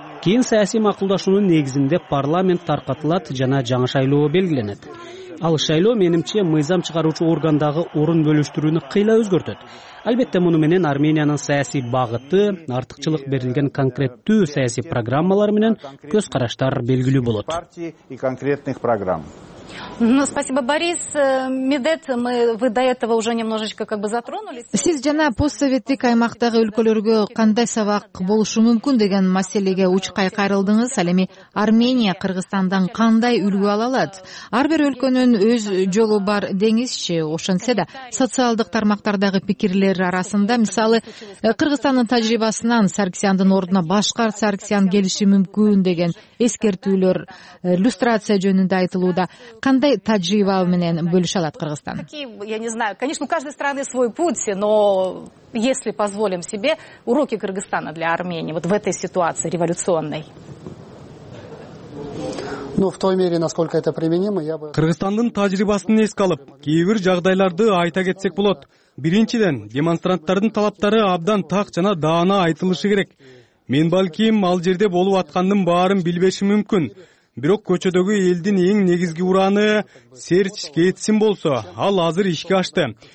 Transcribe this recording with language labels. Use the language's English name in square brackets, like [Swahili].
[Kyrgyz] Кийин саясий макулдашуунун негизинде парламент таркатылат жана жаңы шайлоо белгиленет. Ал шайлоо менимче мыйзам чыгаруучу органдагы орун бөлүштүрүүнү кыйла өзгөртөт. Албетте муну менен Армениянын саясий багыты, артыкчылык берилген конкреттүү саясий программалар менен көз караштар белгилүү болот. [Russian] Партии и конкретных программ. Ну, спасибо, Борис. Медет, вы до этого уже немножечко как бы затронули. [Kyrgyz] Сиз жана постсоветтик аймактагы өлкөлөргө кандай сабак болушу мүмкүн деген маселеге учкай кайрылдыңыз. Ал эми Армения Кыргызстандан кандай үлгү ала алат? Ар бир өлкөнүн өз жолу бар деңизчи. Ошентсе да социалдык тармактардагы пикирлер арасында, мисалы, Кыргызстандын тажрыйбасынан Саркисяндын ордуна башка Саркисян келиши мүмкүн деген эскертүүлөр, иллюстрация жөнүндө айтылууда. Кандай тажрыйба менен бөлүшө алат Кыргызстан? [Russian] Я не знаю, конечно, у каждой страны свой путь, но если позволим себе уроки Кыргызстана для Армении вот в этой ситуации революционной. Ну, в той мере, насколько это применимо, я бы [Kyrgyz] Кыргызстандын тажрыйбасын эске алып, кээбир жагдайларды айта кетсек болот. Биринчиден, демонстранттардын талаптары абдан так жана даана айтылышы керек. Мен балким ал жерде болуп аткандын баарын билбешим мүмкүн. Бирок көчөдөгү элдин эң негизги ураны серч кетсин болсо, ал азыр ишке ашты.